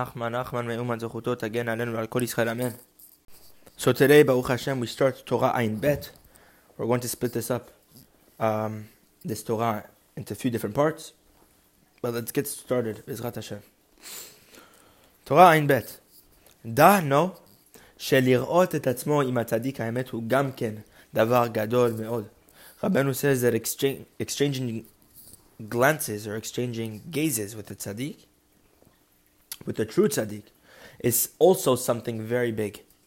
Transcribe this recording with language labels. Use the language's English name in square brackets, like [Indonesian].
[Hebrew] נחמן מאומן זכותו תגן עלינו ועל כל ישראל אמן. [English] So today, ברוך השם, we start Torah Ayin Bet. We're going to split this up, this Torah, into a few different parts. But let's get started, בעזרת השם. Torah Ayin Bet. [Hebrew] דענו שלראות את עצמו עם הצדיק האמת הוא גם כן דבר גדול מאוד. [English] Rabbeinu says that exchanging glances or exchanging gazes with the tzaddik, with the true tzaddik, is also something very big.